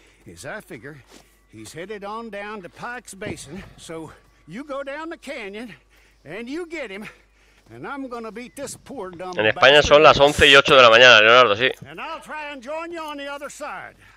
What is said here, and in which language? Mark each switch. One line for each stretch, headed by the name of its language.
English: As I figure, he's headed on down to Pike's Basin, so you go down the canyon, and you get him, and I'm gonna beat this poor dumb...
Spanish: En España son las 11 y 8 de la mañana, Leonardo, sí.
English: And I'll try and join you on the other side.